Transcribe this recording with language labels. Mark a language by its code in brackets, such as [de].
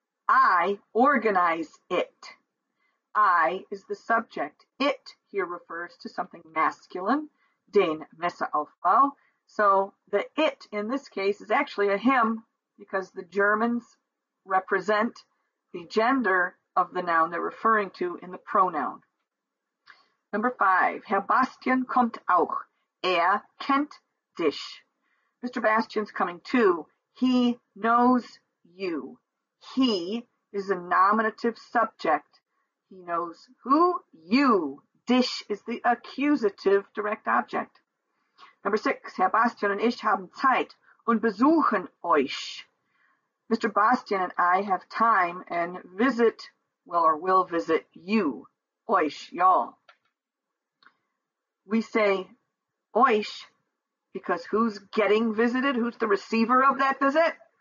[en] I organize it. I is the subject. It here refers to something masculine. [de] Den Messeaufbau. [en] So the it in this case is actually a him because the Germans represent the gender of the noun they're referring to in the pronoun. Number five, [de] Herr Bastian kommt auch. Er kennt dich. [en] Mr. Bastian's coming too. He knows you. He is a nominative subject. He knows who? You. Dich is the accusative direct object. Number six, [de] Herr Bastian und ich haben Zeit und besuchen euch. [en] Mr. Bastian and I have time and visit, well, or will visit you, euch, y'all. We say euch because who's getting visited? Who's the receiver of that visit?